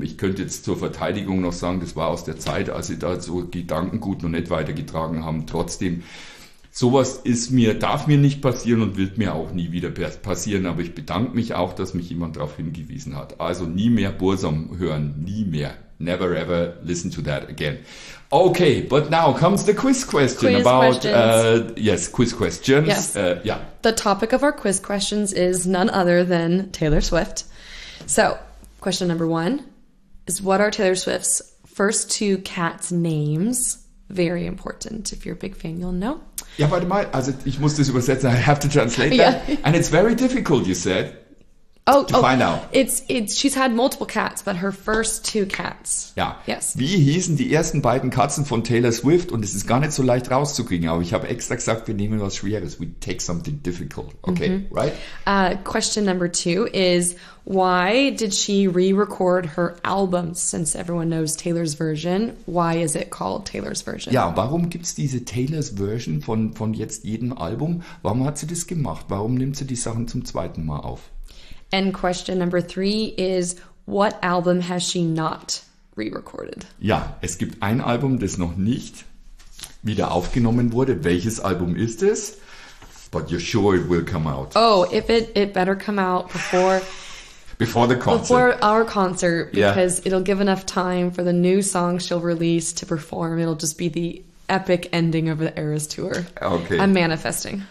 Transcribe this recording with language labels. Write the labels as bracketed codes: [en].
[de] Ich könnte jetzt zur Verteidigung noch sagen, das war aus der Zeit, als sie da so Gedankengut noch nicht weitergetragen haben. Trotzdem. Sowas ist mir, darf mir nicht passieren und wird mir auch nie wieder passieren. Aber ich bedanke mich auch, dass mich jemand darauf hingewiesen hat. Also nie mehr Bursum hören, nie mehr. [en] Never ever listen to that again. Okay, but now comes the quiz question Yes. Yeah. The topic of our quiz questions is none other than Taylor Swift. So, question number one is, what are Taylor Swift's first two cats' names? Very important. If you're a big fan, you'll know. [de] Yeah, warte mal. Also, ich muss das übersetzen. [en] I have to translate that. Yeah. And it's very difficult, you said. find out. She's had multiple cats, but her first two cats. [de] Ja. [en] Yes. [de] Wie hießen die ersten beiden Katzen von Taylor Swift? Und es ist gar nicht so leicht rauszukriegen, aber ich habe extra gesagt, wir nehmen was Schweres. [en] We take something difficult. Okay, mm-hmm. Right? Question number two is, why did she re-record her albums? Since everyone knows Taylor's version, why is it called Taylor's version? [de] Ja, warum gibt's diese Taylor's version von jetzt jedem Album? Warum hat sie das gemacht? Warum nimmt sie die Sachen zum zweiten Mal auf? [en] And question number three is, what album has she not re-recorded? [de] Ja, es gibt ein Album, das noch nicht wieder aufgenommen wurde. Welches Album ist es? [en] But you're sure it will come out. Oh, it better come out before... Before the concert. Before our concert, because it'll give enough time for the new song she'll release to perform. It'll just be the epic ending of the Eras Tour. Okay. I'm manifesting.